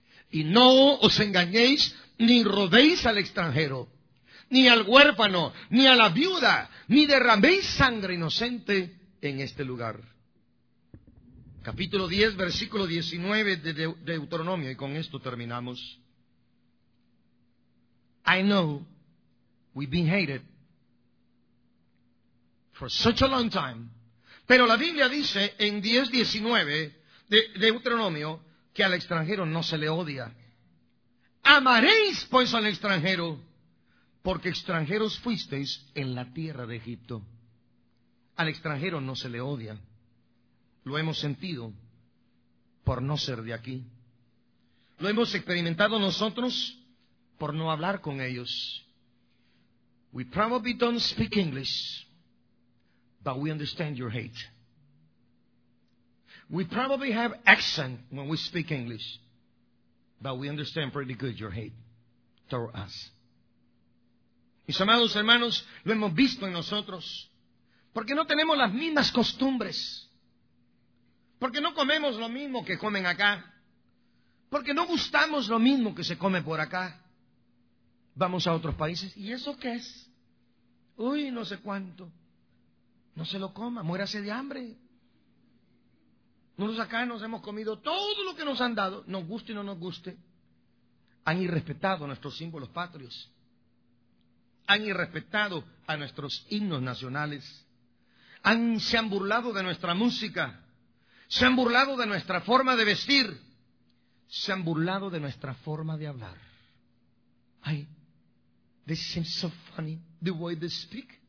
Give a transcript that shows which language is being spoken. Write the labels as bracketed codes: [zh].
[es] y no os engañéis ni rodéis al extranjero, ni al huérfano, ni a la viuda, ni derraméis sangre inocente en este lugar. Capítulo 10, versículo 19 de Deuteronomio, y con esto terminamos. [en] I know we've been hated for such a long time. [es] Pero la Biblia dice en 10:19 de Deuteronomio que al extranjero no se le odia. Amaréis pues al extranjero, porque extranjeros fuisteis en la tierra de Egipto. Al extranjero no se le odia. Lo hemos sentido por no ser de aquí. Lo hemos experimentado nosotros por no hablar con ellos. [en] We probably don't speak English, but we understand your hate. We probably have accent when we speak English, but we understand pretty good your hate toward us. [es] Mis amados hermanos, lo hemos visto en nosotros, porque no tenemos las mismas costumbres, porque no comemos lo mismo que comen acá, porque no gustamos lo mismo que se come por acá. Vamos a otros países, ¿y eso qué es? Uy, no sé cuánto. No se lo coma, muérase de hambre. Nosotros acá nos hemos comido todo lo que nos han dado, nos guste o no nos guste. Han irrespetado nuestros símbolos patrios. Han irrespetado a nuestros himnos nacionales. Se han burlado de nuestra música. Se han burlado de nuestra forma de vestir. Se han burlado de nuestra forma de hablar. [en] Ay, they seem so funny, the way they speak.